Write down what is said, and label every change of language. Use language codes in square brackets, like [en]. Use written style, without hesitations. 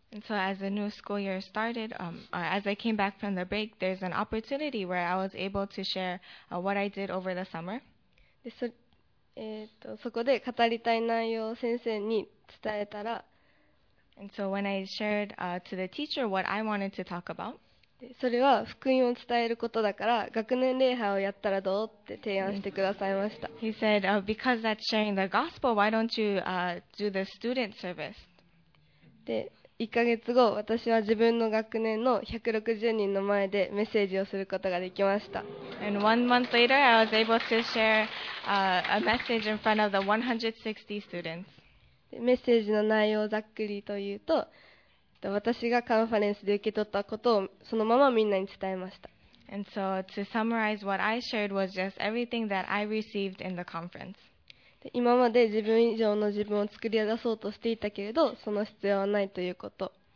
[en] And so as the new school year started, as I came back from the break, there's an opportunity where I was able to share what I did over the summer. [ja] で、そこで語りたい内容を先生に伝えたら、 [en] And so when I shared, to the teacher what I wanted to talk about, [ja] で、それは福音を伝えることだから学年礼拝をやったらどうって提案してくださいました。 [en] He said, because that's sharing the gospel, why don't you, do the student service? [ja] で、1ヶ月後、私は自分の学年の160人の前でメッセージをすることができました。 [en] And one month later, I was able to share, a message in front of the 160 students. [ja] で、メッセージの内容をざっくりと言うと、私がカンファレンスで受け取ったことをそのままみんなに伝えました。 [en] And so to summarize what I shared was just everything that I received in the conference. [ja] 今まで自分以上の自分を作り出そうとしていたけれど、その必要はないということ。